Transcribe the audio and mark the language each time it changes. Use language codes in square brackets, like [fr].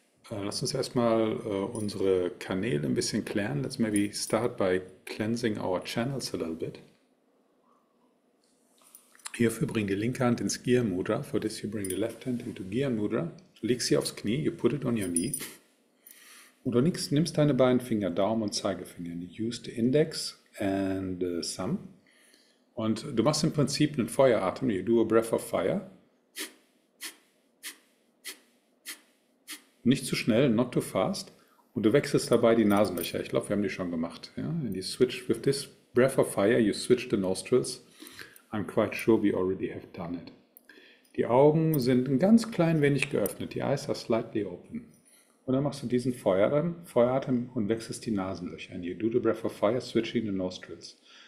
[de] Lass uns erstmal unsere Kanäle ein bisschen klären. [en] Let's maybe start by cleansing our channels a little bit. [de] Hierfür bring the linke Hand ins Gyan Mudra. [en] For this you bring the left hand into Gyan Mudra. [de] Leg sie aufs Knie, [en] you put it on your knee. [de] Und du nimmst deine beiden Finger, Daumen und Zeigefinger. [en] You use the index and the thumb. [de] Und du machst im Prinzip einen Feueratem. [en] You do a breath of fire. [de] Nicht zu schnell, [en] not too fast. [de] Und du wechselst dabei die Nasenlöcher. Ich glaube, wir haben die schon gemacht. Ja? [en] And you switch with this breath of fire, you switch the nostrils. I'm quite sure we already have done it. [de] Die Augen sind ein ganz klein wenig geöffnet. Die [en] eyes are slightly open. [de] Und dann machst du diesen Feueratem und wechselst die Nasenlöcher. [en] And you do the breath of fire, switching the nostrils.